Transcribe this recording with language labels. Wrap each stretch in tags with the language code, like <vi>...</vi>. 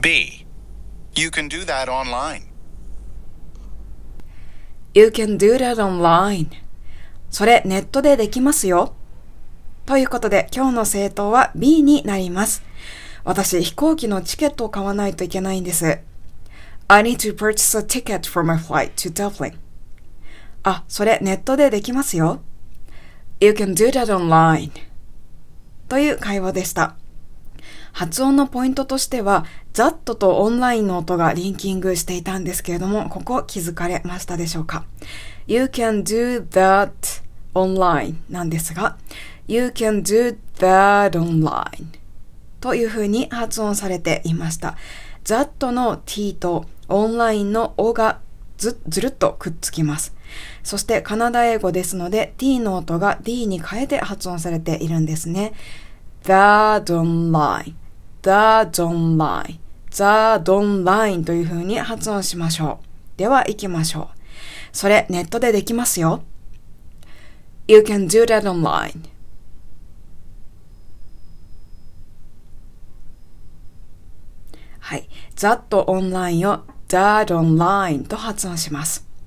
<en>B. You can do that online. You can do that online.</en> <ja>それネットでできますよ。ということで今日の正答は B になります。私、飛行機のチケットを買わないといけないんです。</ja> <en>I need to purchase a ticket for my flight to Dublin.</en> <ja>あ、それネットでできますよ。</ja> <en>You can do that online.</en> <ja>という会話でした。発音のポイントとしては、that とオンラインの音がリンキングしていたんですけれども、ここ気づかれましたでしょうか。</ja> <en>You can do that online</en> <ja>なんですが、</ja> <en>You can do that online.</en> <ja>というふうに発音されていました。that の t と online の o がずるっとくっつきます。そしてカナダ英語ですので t の音が d に変えて発音されているんですね。</ja> <en>that online, that online, that online</en> <ja>というふうに発音しましょう。では行きましょう。それネットでできますよ。</ja> <en>You can do that online.</en> <ja>はい、that online を that online と発音します。</ja>